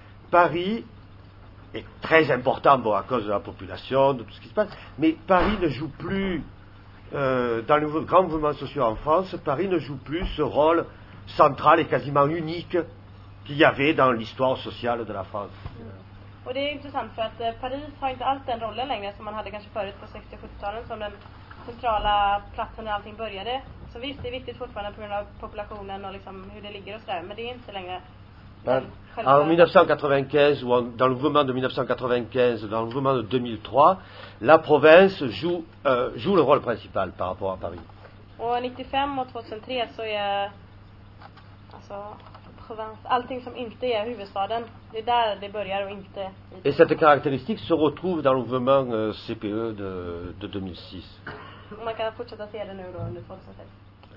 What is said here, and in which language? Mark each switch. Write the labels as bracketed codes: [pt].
[fr] Paris est très important, bon, à cause de la population, de tout ce qui se passe, mais Paris ne joue plus, dans les grands mouvements sociaux en France, Paris ne joue plus ce rôle central et quasiment unique qu'il y avait dans l'histoire sociale de la France. [sv] Och det är intressant för att Paris har inte alls den rollen längre som man hade kanske förut på 60-70-talen som den centrala platsen där allting började. Så visst, det är viktigt fortfarande på grund av populationen och liksom hur det ligger och sådär, men det är inte längre... [fr] En 1995, ou dans le mouvement de 1995, dans le mouvement de 2003, la province joue le rôle principal par rapport à Paris. [sv] Och 95 och 2003 så är... Alltså... Allting som inte är huvudstaden, det är där det börjar och inte. [fr] Et cette caractéristique se retrouve dans le mouvement CPE de 2006. [sv] Man kan fortsätta se det nu då under 2006.